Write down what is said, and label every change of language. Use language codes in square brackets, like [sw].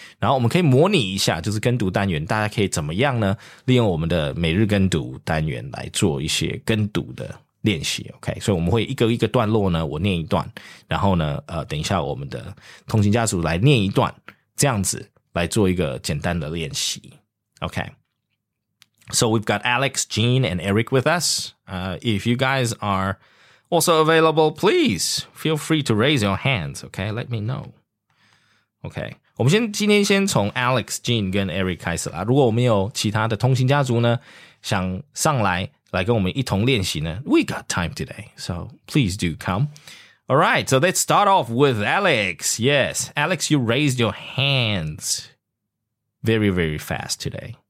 [zh] 然后我们可以模拟一下，就是跟读单元，大家可以怎么样呢？利用我们的每日跟读单元来做一些跟读的练习 ，OK， 所以我们会一个段落呢，我念一段，然后呢，等一下我们的通勤家族来念一段，这样子来做一个简单的练习 ，OK。 [en] So we've got Alex, Jean, and Eric with us. If you guys are also available, please feel free to raise your hands. OK, let me know. [zh] OK, 我们今天先从 Alex, Jean 跟 Eric 开始啦。如果我们有其他的通勤家族呢，想上来。来跟我们一同练习呢? [en] We got time today, so please do come. All right, so let's start off with Alex. Yes, Alex, you raised your hands very, very fast today.